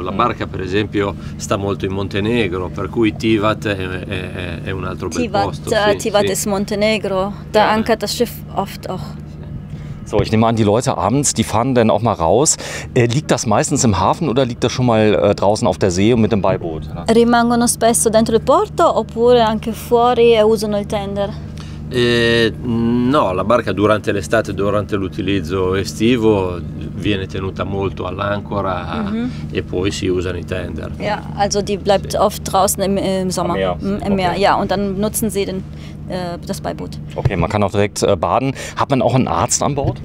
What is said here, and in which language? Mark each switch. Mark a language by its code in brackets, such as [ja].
[it] La barca per esempio sta molto in Montenegro, per cui Tivat è un altro bel posto. [de] Tivat, sì, Tivat ist Montenegro, da ankert das Schiff oft auch. So, ich nehme an, die Leute abends, die fahren dann auch mal raus. Liegt das meistens im Hafen oder liegt das schon mal draußen auf der See und mit dem Beiboot? [it] Rimangono spesso dentro il porto oppure anche fuori e usano il tender? No, la barca durante l'estate, durante l'utilizzo estivo, viene tenuta molto all'ancora e poi si usano i tender. [de] Ja, also die bleibt oft draußen im Sommer. Im Meer, ja, und dann nutzen sie den. Das Beiboot. Okay, man kann auch direkt baden. Hat man auch einen Arzt an Bord?